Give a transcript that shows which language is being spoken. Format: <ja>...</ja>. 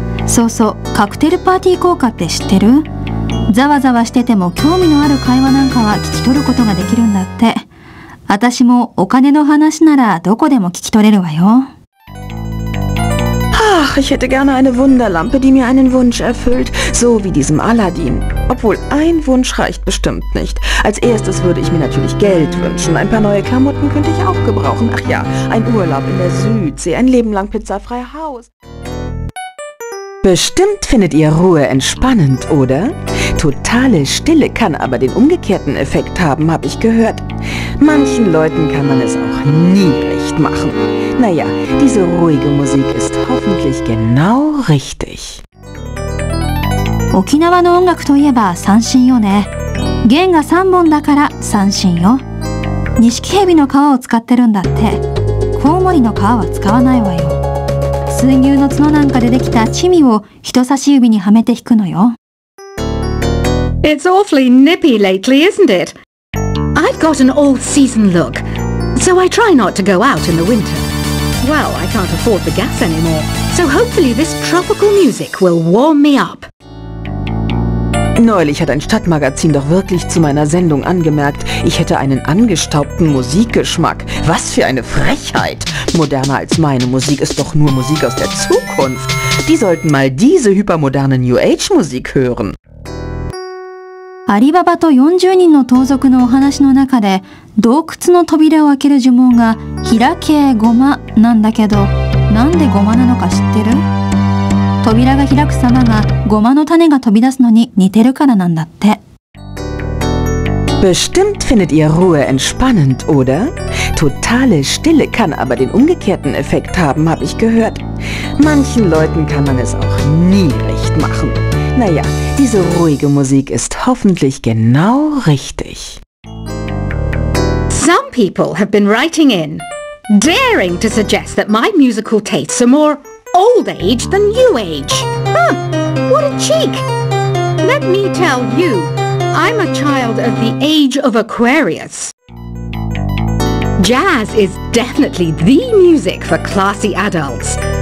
<ja>そうそう、カクテルパーティー効果って知ってる？ざわざわしてても興味のある会話なんかは聞き取ることができるんだって。私もお金の話ならどこでも聞き取れるわよ。</ja> <de>Ach, ich hätte gerne eine Wunderlampe, die mir einen Wunsch erfüllt, so wie diesem Aladdin. Obwohl ein Wunsch reicht bestimmt nicht. Als erstes würde ich mir natürlich Geld wünschen. Ein paar neue Klamotten könnte ich auch gebrauchen. Ach ja, ein Urlaub in der Südsee, ein Leben lang pizzafrei Haus. Bestimmt findet ihr Ruhe entspannend, oder? Totale Stille kann aber den umgekehrten Effekt haben, habe ich gehört. Manchen Leuten kann man es auch nie recht machen. Naja, diese ruhige Musik ist hoffentlich genau richtig.</de> <ja>沖縄の音楽といえば三線よね。弦が三本だから三線よ。ニシキヘビの皮を使ってるんだって。コウモリの皮は使わないわよ。水牛の角なんかでできたチミを人差し指にはめて弾くのよ。</ja> <en>It's awfully nippy lately, isn't it? I've got an all-season look, so I try not to go out in the winter. Well, I can't afford the gas anymore, so hopefully this tropical music will warm me up.</en> <de>Neulich hat ein Stadtmagazin doch wirklich zu meiner Sendung angemerkt, ich hätte einen angestaubten Musikgeschmack. Was für eine Frechheit! Moderner als meine Musik ist doch nur Musik aus der Zukunft. Die sollten mal diese hypermoderne New-Age-Musik hören.</de> <ja>アリババと40人の盗賊のお話の中で、洞窟の扉を開ける呪文が開けゴマなんだけど、なんでゴマなのか知ってる？扉が開く様がゴマの種が飛び出すのに似てるからなんだって。</ja> <de>Bestimmt findet ihr Ruhe entspannend, oder? Totale Stille kann aber den umgekehrten Effekt haben, habe ich gehört. Manchen Leuten kann man es auch nie recht machen. Naja, diese ruhige Musik ist hoffentlich genau richtig.</de> <en>Some people have been writing in, daring to suggest that my musical tastes are more old age than new age. Huh, what a cheek! Let me tell you. I'm a child of the age of Aquarius. Jazz is definitely the music for classy adults.</en>